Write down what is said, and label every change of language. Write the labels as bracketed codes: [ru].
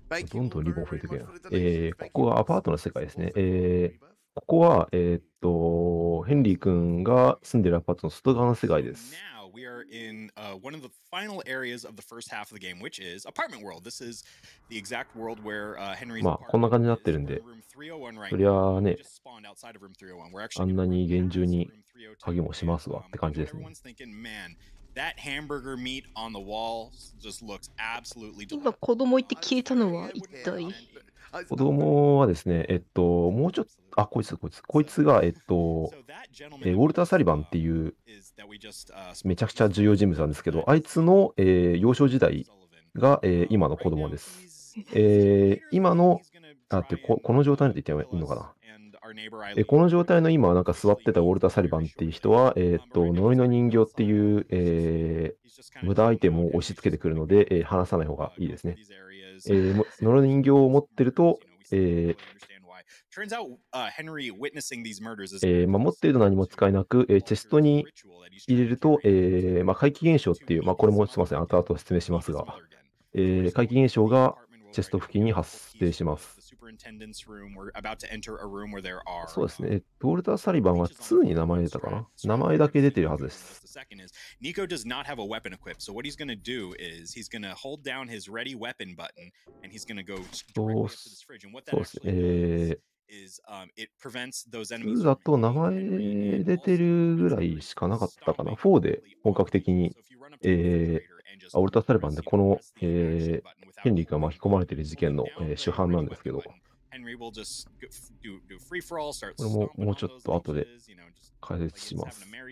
[ja] どんどんリボン増えていくやん。ここはアパートの世界ですね。ここは、ヘンリー君が住んでるアパートの外側の世界です。 [en] We are in one of the final areas of the first half of the game, which is apartment world. This is the exact world where Henry's apartment is. Room 301, right? [ja] それはね、 [en] outside of room 301. [ja] あんなに厳重に鍵もしますわって感じですね。 [en] Everyone's thinking, man, that hamburger meat on the wall just looks absolutely delicious. [ja] 今子供いて消えたのは一体？子供はですね、もうちょっと、あ、こいつ、こいつ、こいつが、ウォルター・サリバンっていう、めちゃくちゃ重要人物なんですけど、あいつの、幼少時代が、今の子供です。今の、だって、この状態で言ってもいいのかな。この状態の今、なんか座ってたウォルター・サリバンっていう人は、呪いの人形っていう、無駄アイテムを押し付けてくるので、話さない方がいいですね。呪いの人形を持ってると、持っていると何も使えなく、チェストに入れると、怪奇現象っていう、これもすみません、後々説明しますが、怪奇現象がチェスト付近に発生します。そうですね、ウォルター・サリバンは2に名前出たかな？名前だけ出てるはずです。 [en] Nico does not have a weapon equipped, so what he's going to do is he's going to hold down his ready weapon button and he's going to go to his fridge. And what that actually means is it prevents those enemies. [ja] 2だと名前出てるぐらいしかなかったかな。 4で本格的に、ウォルター・サリバンでこの、ヘンリーが巻き込まれている事件の、主犯なんですけど、これももうちょっと後で解説します。